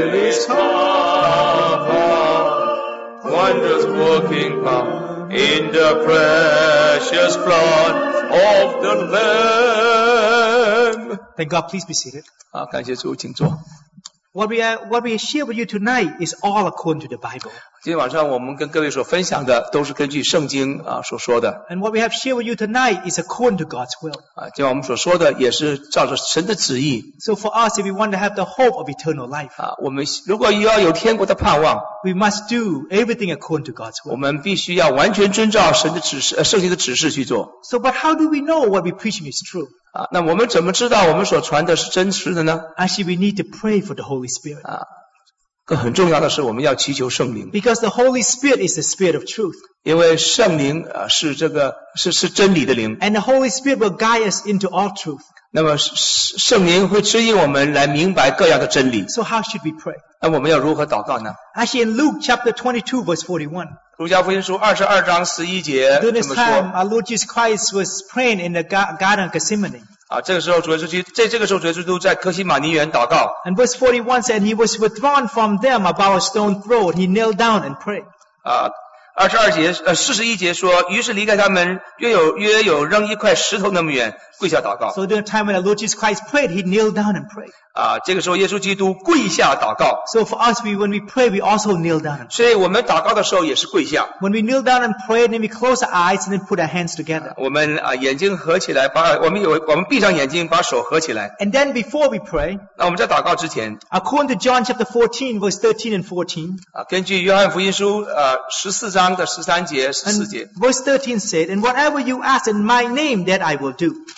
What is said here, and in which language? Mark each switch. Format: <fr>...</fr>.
<en>There is power, wonderful power in the precious blood of the Lamb. Thank God, please be seated.</en> <zh>好，感谢主，请坐。</zh> <en>What we share with you tonight is all according to the Bible.</en> <zh>今天晚上我们跟各位所分享的都是根据圣经所说的。</zh> <en>And what we have shared with you tonight is according to God's will.</en> <zh>今天我们所说的也是照着神的旨意。</zh> <en>So for us, if we want to have the hope of eternal life,</en> <zh>我们如果要有天国的盼望</zh> <en>，we must do everything according to God's will.</en> <zh>我们必须要完全遵照神的指示，圣经的指示去做。</zh> <en>So, but how do we know what we preaching is true?</en> <zh>那我们怎么知道我们所传的是真实的呢</zh> <en>？Actually, we need to pray for the Holy Spirit.</en> <zh>更很重要的是，我们要祈求圣灵。</zh> <en>Because the Holy Spirit is the Spirit of Truth.</en> <zh>因为圣灵是这个是真理的灵。</zh> <en>And the Holy Spirit will guide us into all truth.</en> <zh>那么圣灵会指引我们来明白各样的真理。</zh> <en>So how should we pray?</en> <zh>那我们要如何祷告呢</zh> <en>？Actually, in Luke chapter 22, verse 41.</en> <zh>路加福音书二十二章十一节这么说。</zh> <en>During this time, our Lord Jesus Christ was praying in the Garden of Gethsemane.</en> <zh>这个时候主耶稣基督在这个时候主耶稣基督在科西玛尼园祷告。</zh> <en>And verse 41 said, He was withdrawn from them about a stone throw. He kneeled down and prayed.</en> <zh>二十二节四十一节说，于是离开他们约有扔一块石头那么远，跪下祷告。</zh> <en>So during the time when our Lord Jesus Christ prayed, He kneeled down and prayed.</en> <zh>这个时候耶稣基督跪下祷告。</zh> <en>So for us, when we pray, we also kneel down.</en> <zh>所以我们祷告的时候也是跪下。</zh> <en>When we kneel down and pray, then we close our eyes and then put our hands together.</en> <zh>我们眼睛合起来，我们闭上眼睛，把手合起来。</zh> <en>And then before we pray,</en> <zh>那我们在祷告之前</zh> <en>，According to John chapter 14, verse 13 and 14.</en> <zh>根据约翰福音书14章的13节、14节。</zh> <en>Verse 13 said, "And whatever you ask in my name, that I will do."</en>